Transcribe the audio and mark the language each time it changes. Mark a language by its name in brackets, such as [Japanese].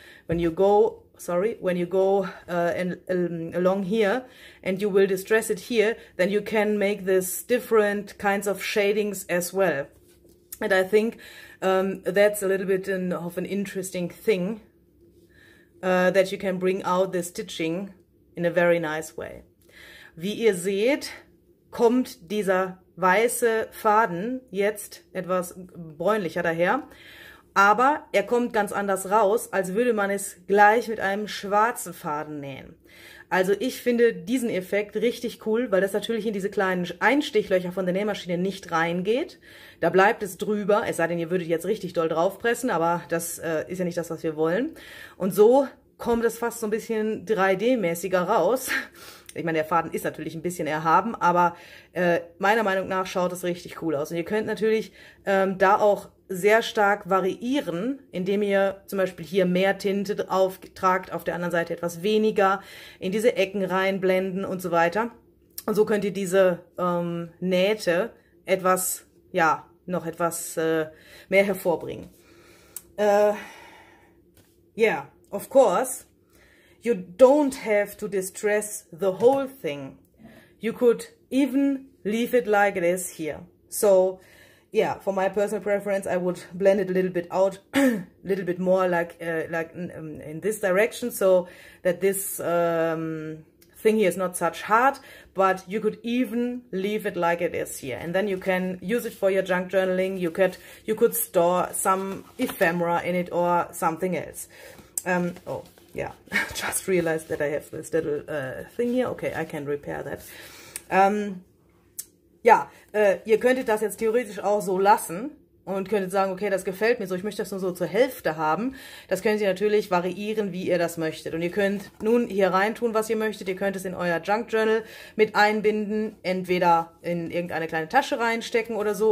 [English] When you go along here and you will distress it here, then you can make this different kinds of shadings as well. And I think that's a little bit of an interesting thing, that you can bring out the stitching in a very nice way. [German] Wie ihr seht, kommt dieser weiße Faden jetzt etwas bräunlicher daher. Aber er kommt ganz anders raus, als würde man es gleich mit einem schwarzen Faden nähen. Also ich finde diesen Effekt richtig cool, weil das natürlich in diese kleinen Einstichlöcher von der Nähmaschine nicht reingeht. Da bleibt es drüber, es sei denn, ihr würdet jetzt richtig doll draufpressen, aber das ist ja nicht das, was wir wollen. Und so kommt es fast so ein bisschen 3D-mäßiger raus. Ich meine, der Faden ist natürlich ein bisschen erhaben, aber meiner Meinung nach schaut es richtig cool aus. Und ihr könnt natürlich da auch sehr stark variieren, indem ihr zum Beispiel hier mehr Tinte auftragt, auf der anderen Seite etwas weniger, in diese Ecken reinblenden und so weiter. Und so könnt ihr diese Nähte etwas, ja, noch etwas mehr hervorbringen. [English] Yeah, of course, you don't have to distress the whole thing. You could even leave it like it is here. So, yeah, for my personal preference, I would blend it a little bit out, a little bit more in this direction, so that this thing here is not such hard, but you could even leave it like it is here. And then you can use it for your junk journaling. You could store some ephemera in it or something else. Oh, yeah, just realized that I have this little thing here. Okay, I can repair that. [German] Ja, ihr könntet das jetzt theoretisch auch so lassen und könntet sagen, okay, das gefällt mir so, ich möchte das nur so zur Hälfte haben. Das könnt ihr natürlich variieren, wie ihr das möchtet. Und ihr könnt nun hier reintun, was ihr möchtet. Ihr könnt es in euer Junk Journal mit einbinden, entweder in irgendeine kleine Tasche reinstecken oder so.